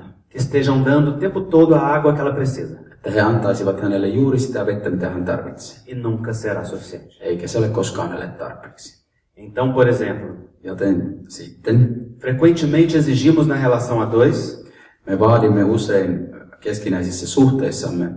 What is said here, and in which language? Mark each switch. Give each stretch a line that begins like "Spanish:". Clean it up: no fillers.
Portuguese: que estejam dando o tempo todo a água que ela precisa.
Finnish: Että he antaisivat hänelle juuri sitä vettä, mitä hän tarvitsee.
Portuguese: E nunca será suficiente.
Finnish: Eikä se ole koskaan hänelle tarpeeksi.
Portuguese: Então, por exemplo,
Finnish: joten sitten,
Portuguese: frequentemente exigimos na relação a dois,
Finnish: me vaadimme usein keskinäisissä suhteissamme,